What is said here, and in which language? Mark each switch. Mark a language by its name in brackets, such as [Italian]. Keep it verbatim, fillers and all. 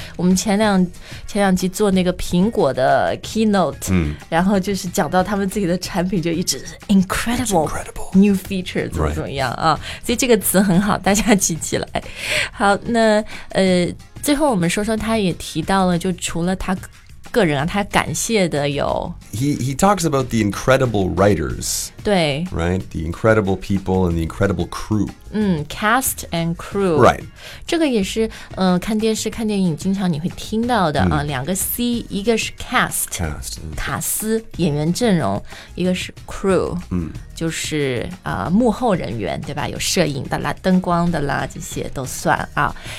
[Chinese] 我们前两前两集做那个苹果的 keynote、嗯、然后就是讲到他们自己的产品就一直 incredible, [English] incredible new feature [Chinese] 怎么怎么样啊？ [English] Right. [Chinese] 所以这个词很好，大家记起来。好，那呃，最后我们说说他也提到了，就除了他。个人啊，他感谢的有 [English] he, he talks about the incredible writers. [Chinese] 对 [English] Right? The incredible people and the incredible crew. 嗯 Cast and crew. Right. [Chinese] 这个也是、呃、看电视看电影经常你会听到的、嗯啊、两个 C 一个是 cast, [English] cast、嗯、 [Chinese] 卡斯演员阵容，一个是 crew、嗯、就是、呃、幕后人员对吧，有摄影的啦灯光的啦这些都算啊。